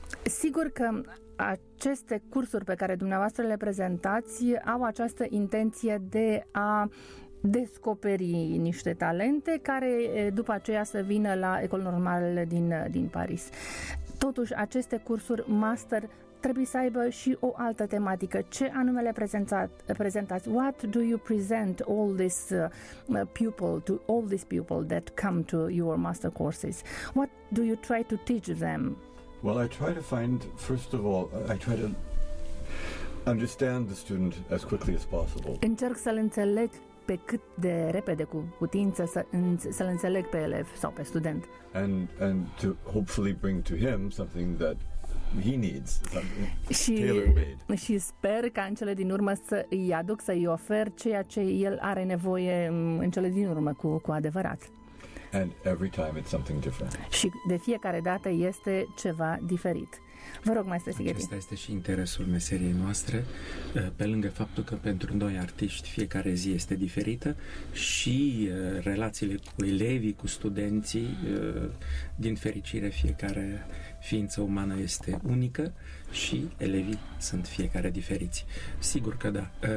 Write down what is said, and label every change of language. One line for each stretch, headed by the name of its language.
Romanian: Sigur că aceste cursuri pe care dumneavoastră le prezentați au această intenție de a descoperi niște talente care după aceea să vină la Ecole Normale din Paris. Totuși, aceste cursuri master trebuie să aibă și o altă tematică. Ce anume le prezentați?
English: What do you present all this people to all these people that come to your master courses? What do you try to teach them? Well, I try to find, first of all, I try to understand the student as quickly as possible.
Romanian: Încerc să-l înțeleg pe cât de repede cu putință, să-l înțeleg pe elev sau pe student.
English: And to hopefully bring to him something that he needs, something tailor-made.
Romanian: Și sper ca în cele din urmă să îi aduc, să îi ofer ceea ce el are nevoie în cele din urmă cu adevărat.
English: And every time it's something different.
Romanian: Și de fiecare dată este ceva diferit. Vă rog, maestre Sighetti. Acesta este și interesul meseriei noastre, pe lângă faptul că pentru noi artiști fiecare zi este diferită și relațiile cu elevii, cu studenții, din fericire fiecare ființă umană este unică și elevii sunt fiecare diferiți. Sigur că da.